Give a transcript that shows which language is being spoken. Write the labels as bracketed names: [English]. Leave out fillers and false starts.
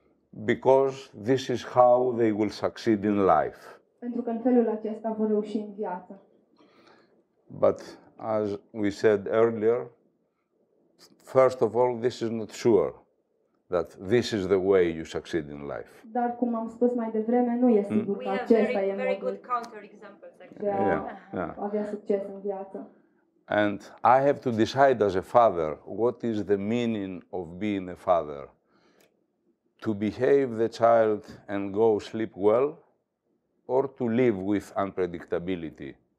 [English] Because this is how they will succeed in life. [Romanian] Pentru că în felul acesta vor reuși în viață. [English] But as we said earlier, first of all, this is not sure. that this is the way you succeed in life. [Romanian] Dar cum am spus mai devreme, nu e sigur că acesta e modul. [English] We have very good counter examples. [Romanian] Avea succes în viață. [English] And I have to decide as a father what is the meaning of being a father. To behave the child and go sleep well, or to live with unpredictability.